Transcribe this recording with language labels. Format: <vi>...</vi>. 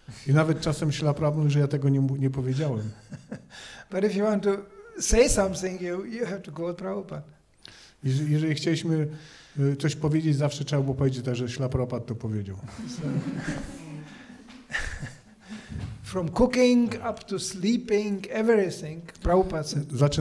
<pl>I nawet czasem Śrila Prabhupada mówi, że ja tego nie powiedziałem.</pl> <en>But if you want to say something, you have to quote Prabhupada.</en> <pl>Jeżeli chcieliśmy coś powiedzieć, zawsze trzeba było powiedzieć też, że Śrila Prabhupada to powiedział.</pl> <en>From cooking up to sleeping, everything, Prabhupada said.</en>